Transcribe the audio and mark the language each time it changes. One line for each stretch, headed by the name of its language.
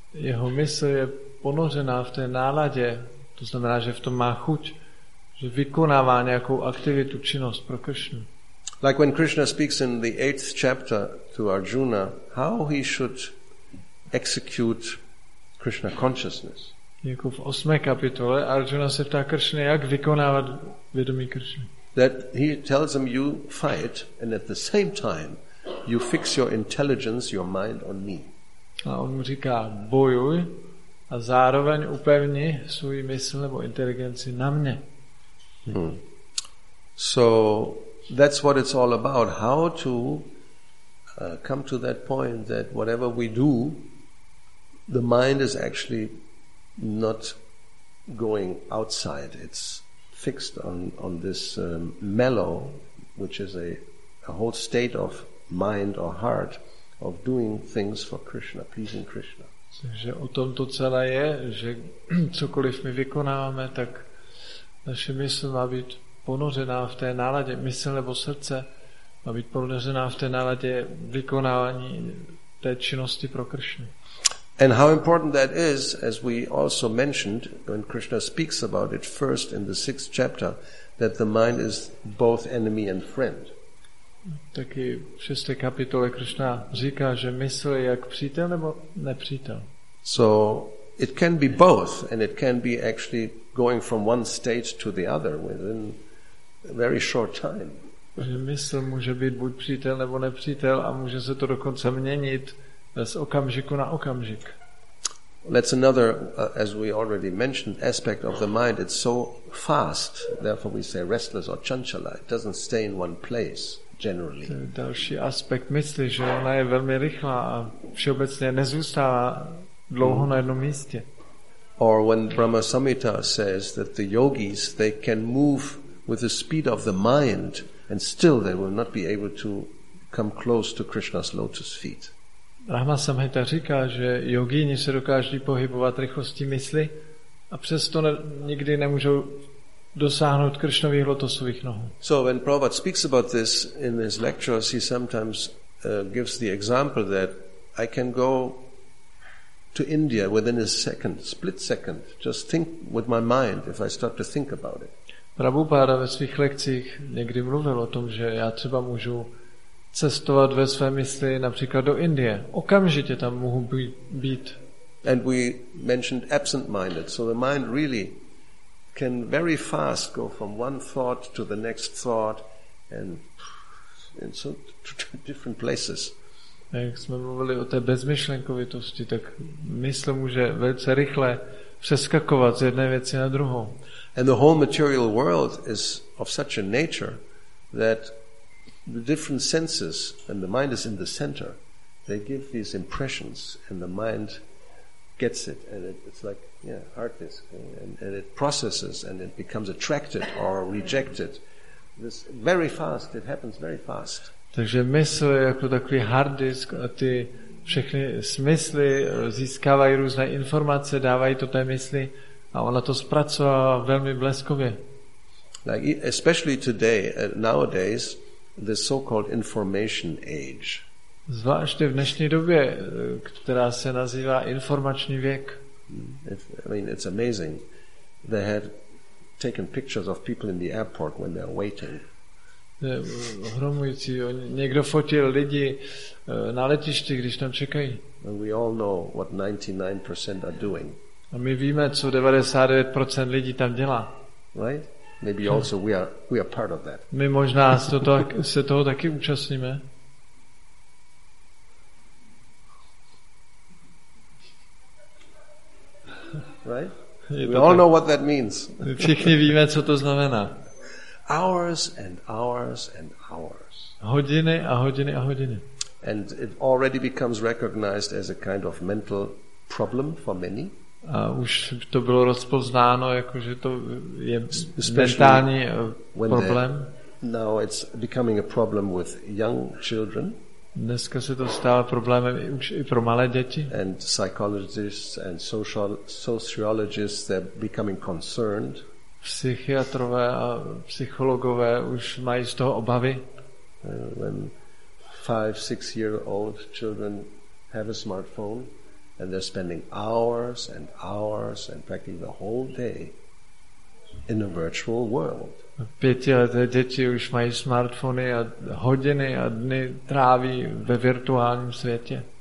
Czech: Jeho mysl je ponořená v té náladě, to znamená, že v tom má chuť, že vykonává nějakou aktivitu, činnost pro Kršnu.
English: Like when Krishna speaks in the 8th chapter to Arjuna, how he should execute Krishna consciousness.
Czech: Jako v 8. kapitole Arjuna se ptá Kršny, jak vykonávat vědomí Kršny.
English: That he tells him, you fight and at the same time you fix your intelligence, your mind on me.
Czech: A on mu říká, bojuj a zároveň upevni svůj mysl nebo inteligenci na mě.
English: So that's what it's all about. How to come to that point that whatever we do, the mind is actually not going outside. It's fixed on this mellow, which is a whole state of mind or heart, of doing things for Krishna, pleasing Krishna.
Czech: Že o tom to celé je, že cokoliv my vykonáváme, tak naše mysl má být ponořená v té náladě, mysl nebo srdce má být ponořená v té náladě vykonávání té činnosti pro Kršnu.
English: And how important that is, as we also mentioned, when Krishna speaks about it first in the 6th chapter, that the mind is both enemy and friend.
Czech: Taky v 6. kapitole Krishna říká, že mysl je jak přítel nebo nepřítel.
English: So it can be both, and it can be actually going from one state to the other within a very short time.
Czech: Že mysl může být buď přítel nebo nepřítel a může se to dokonce měnit z okamžiku na okamžik.
English: That's another, as we already mentioned, aspect of the mind. It's so fast, therefore we say restless or chanchala. It doesn't stay in one place. Generally.
Czech: To je další aspekt mysli, že ona je velmi rychlá a všeobecně nezůstává dlouho na jednom místě.
English: Or when Brahma Samhita says that the yogis, they can move with the speed of the mind and still they will not be able to come close to Krishna's lotus feet.
Czech: Brahma Samhita říká, že yogíni se dokáží pohybovat rychlostí mysli, A přesto nikdy nemůžou dosáhnout Krišnových lotosových nohů.
English: So when Prabhupada speaks about this in his lectures, he sometimes gives the example that I can go to India within a second, split second, just think with my mind if I start to think about it.
Czech: Prabhupada ve svých lekcích někdy mluvil o tom, že já třeba můžu cestovat ve své mysli například do Indie. Okamžitě tam mohu být.
English: And we mentioned absent-minded, so the mind really can very fast go from one thought to the next thought and so to different places.
Czech: Jak jsme mluvili o té bezmyšlenkovitosti, tak mysl může velice rychle přeskakovat z jedné věci na druhou.
English: And the whole material world is of such a nature that the different senses and the mind is in the center, they give these impressions and the mind gets it and it's like hard disk and it processes and it becomes attracted or rejected. This very fast, it happens very fast.
Czech: Takže mysl je jako takový hard disk a ty všechny smysly získávají různé informace, dávají to té mysli a ona to zpracová velmi bleskově.
English: Like especially today, nowadays, the so-called information age.
Czech: Zvláště v dnešní době, která se nazývá informační věk.
English: It's amazing. They have taken pictures of people in the airport when they're waiting.
Czech: Je ohromující. Někdo fotil lidi na letišti, když tam čekají.
English: And we all know what 99% are doing.
Czech: A my víme, co 99% lidí tam dělá.
English: Right? Maybe also we are part of that.
Czech: My možná se toho taky účastníme.
English: Right? We all know what that means.
Czech: My všichni víme, co to znamená.
English: Hours and hours and hours.
Czech: Hodiny a hodiny a hodiny.
English: And it already becomes recognized as a kind of mental problem for many.
Czech: A už to bylo rozpoznáno, jako že to je mentální problém.
English: Now it's becoming a problem with young children.
Czech: Dneska se to stává problémem už i pro malé děti.
English: And psychologists and sociologists, they're becoming concerned.
Czech: Psychiatrové a psychologové už mají z toho obavy.
English: When 5-6-year-old children have a smartphone and they're spending hours and hours and practically the whole day in a virtual world.
Czech: Pětileté děti už mají smartfony a hodiny a dny tráví ve virtuálním světě.